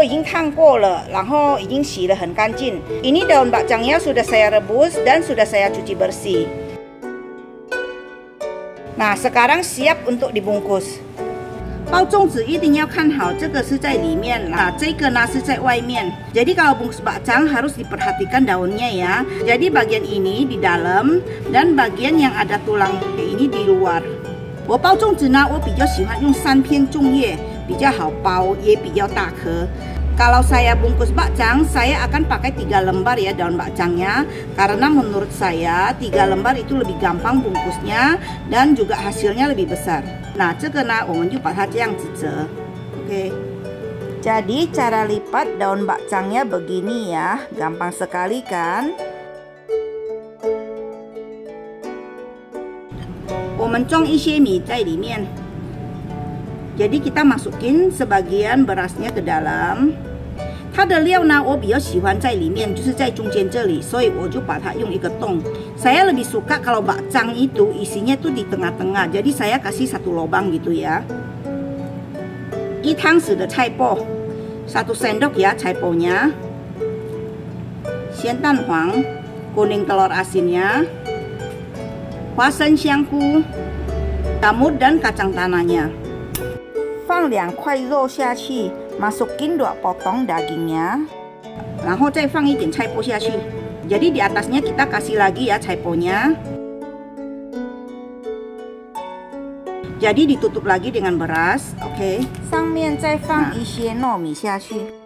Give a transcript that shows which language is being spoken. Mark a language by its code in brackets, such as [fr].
[id] Ini daun bakcangnya sudah saya rebus dan sudah saya cuci bersih. Sekarang siap untuk dibungkus. [zh] 包粽子一定要看好，这个是在里面，这个呢是在外面。 [id] Jadi kalau bungkus bakcang harus diperhatikan daunnya ya. Jadi bagian ini di dalam dan bagian yang ada tulang ini di luar. [zh] 我包粽子呢，我比较喜欢用三片粽叶，比较好包，也比较大颗。 [id] Kalau saya bungkus bakcang, saya akan pakai 3 lembar ya daun bakcangnya. Karena menurut saya 3 lembar itu lebih gampang bungkusnya dan juga hasilnya lebih besar. Jadi cara lipat daun bakcangnya begini ya, gampang sekali kan? [zh] 我们装一些米在里面。 [id] Jadi kita masukin sebagian berasnya ke dalam. [zh] 它的料呢，我比较喜欢在里面，就是在中间这里，所以我就把它用一个洞。 [id] Saya lebih suka kalau bakcang itu isinya tuh di tengah-tengah, jadi saya kasih satu lubang gitu ya. [zh] 一汤匙的菜脯， [id] 1 sendok ya cai-po-nya. [zh] 咸蛋黄， [id] kuning telur asinnya. [zh] 花生香菇， [id] jamur dan kacang tanahnya. [zh] 放两块肉下去。 [id] Masukin 2 potong dagingnya. [zh] 然后再放一点菜脯下去. [id] Jadi di atasnya kita kasih lagi ya cai-po-nya. Jadi ditutup lagi dengan beras. Oke. [zh] 上面再放一些糯米下去.